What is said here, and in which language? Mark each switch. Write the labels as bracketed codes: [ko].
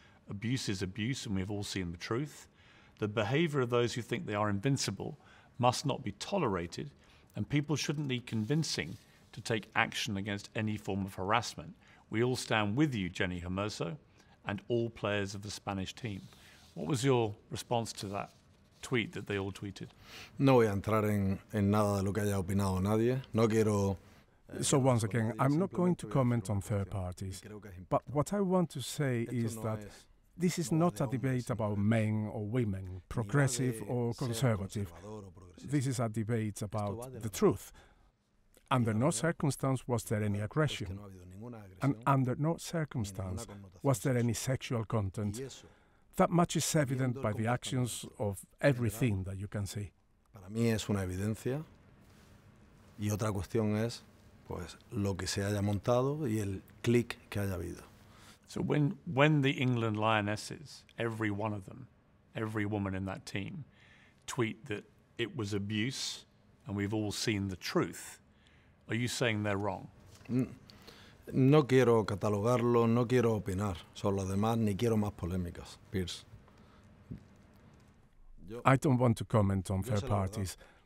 [en] Abuse is abuse, and we have all seen the truth. The behavior of those who think they are invincible must not be tolerated, and people shouldn't need convincing to take action against any form of harassment. We all stand with you, Jenni Hermoso, and all players of the Spanish team. What was your response to that tweet that they all tweeted? [es] No voy a entrar en nada de lo que haya opinado nadie. No quiero. [en] So once again, I'm not going to comment on third parties, but what I want to say is that this is not a debate about men or women, progressive or conservative. This is a debate about the truth. Under no circumstance was there any aggression, and under no circumstance was there any sexual content. That much is evident by the actions of everything that you can see. [es] Para mí es una evidencia, y otra cuestión es pues lo que se haya montado y el click que haya habido. [en] So when the England Lionesses, every one of them, every woman in that team, tweet that it was abuse and we've all seen the truth, are you saying they're wrong? [es] No quiero catalogarlo, no quiero opinar sobre los demás, ni quiero más polémicas, Piers. [en] I don't want to comment on third parties.